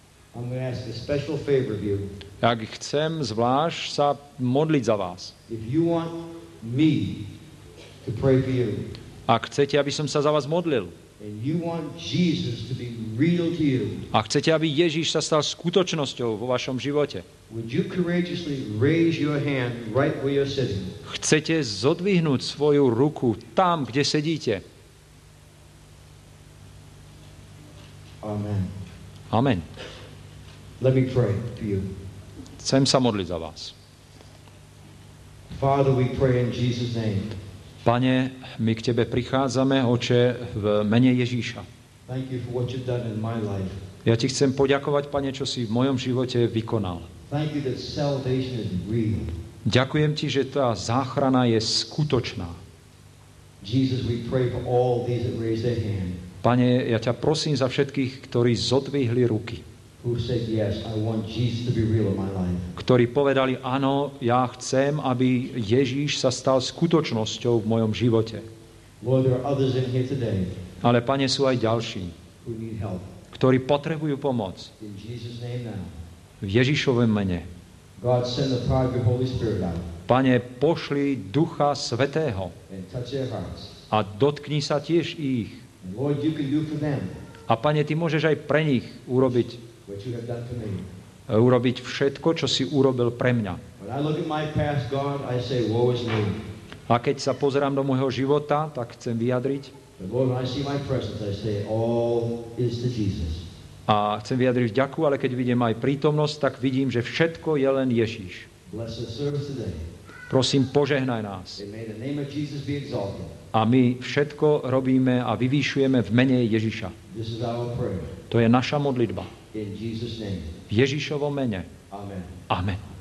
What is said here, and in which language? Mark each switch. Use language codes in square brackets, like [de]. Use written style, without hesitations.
[en] I'm going to ask a special favor of you. [sk] Ak chcem zvlášť sa modliť za vás. [en] If you want me to pray for you. [sk] Ak chcete, aby som sa za vás modlil. [en] And you want Jesus to be real to you. [sk] Ak chcete, aby Ježíš sa stal skutočnosťou vo vašom živote. [en] Would you courageously raise your hand right where you're sitting? [sk] Chcete zodvihnúť svoju ruku tam, kde sedíte? [en] Amen. [sk] Amen. [en] Let me pray for you. [sk] Chcem sa modliť za vás. [en] Father, we pray in Jesus' name. [sk] Pane, my k Tebe prichádzame, Oče, v mene Ježíša. [en] Thank you for what you've done in my life. [sk] Ja Ti chcem poďakovať, Pane, čo si v mojom živote vykonal. [en] Thank you that salvation is real. [sk] Ďakujem Ti, že tá záchrana je skutočná. [en] Jesus, we pray for all these that raise their hand. [sk] Pane, ja ťa prosím za všetkých, ktorí zodvihli ruky. [en] Who said yes, I want Jesus to be real in my life. [sk] Ktorí povedali, áno, ja chcem, aby Ježíš sa stal skutočnosťou v mojom živote. [en] Lord, there are others in here today. [sk] Ale, Pane, sú aj ďalší, [en] who need help. [sk] Ktorí potrebujú pomoc. [en] In Jesus' name now. [sk] V Ježišovom mene. [en] God, send the power of your Holy Spirit out. [sk] Pane, pošli Ducha Svätého. [en] And touch their hearts. [sk] A dotkni sa tiež ich. [en] Lord, you can do for them. [sk] A Pane, Ty môžeš aj pre nich urobiť [en] what you have done for me. [sk] Urobiť všetko, čo si urobil pre mňa. [en] When I look at my past, God, I say, woe is me. [sk] A keď sa pozerám do môjho života, tak chcem vyjadriť. [en] Lord, when I see my presence, I say, all is to Jesus. [sk] A chcem vyjadriť vďaku, ale keď vidím aj prítomnosť, tak vidím, že všetko je len Ježíš. [en] Bless the service today. [sk] Prosím, požehnaj nás. [en] May the name of Jesus be exalted. [sk] A my všetko robíme a vyvýšujeme v mene Ježiša. To je naša modlitba. V Ježišovom mene. [en] Amen. [sk] Amen.